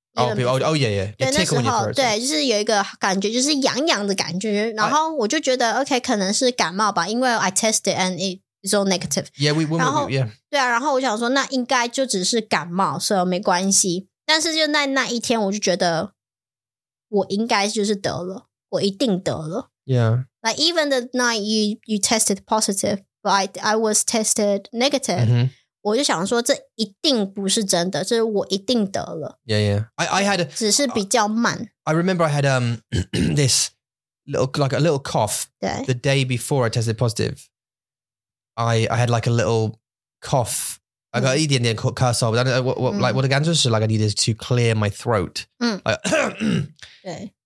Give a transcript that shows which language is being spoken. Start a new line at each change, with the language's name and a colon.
Chinese: Oh yeah, 那时候对，就是有一个感觉，就是痒痒的感觉，然后我就觉得 OK，可能是感冒吧， 因为 I tested and it's all negative.
English: Yeah, we were
Chinese: Yeah，然后我想说，那应该就只是感冒，所以没关系。但是就在那一天，我就觉得我应该就是得了，我一定得了。
English: Yeah. Like even the night you tested positive, but I was tested negative. Mm-hmm.
Chinese: 我就想说这一定不是真的，这是我一定得了。 Yeah,
English: yeah. I had
Chinese: 只是比较慢。I
English: remember I had this little like a little cough.
Chinese: 对,
English: the day before I tested positive, I had like a little cough. I got 一点点咳嗽, like what the 感觉是 like I needed to clear my throat.
Chinese: 嗯，对。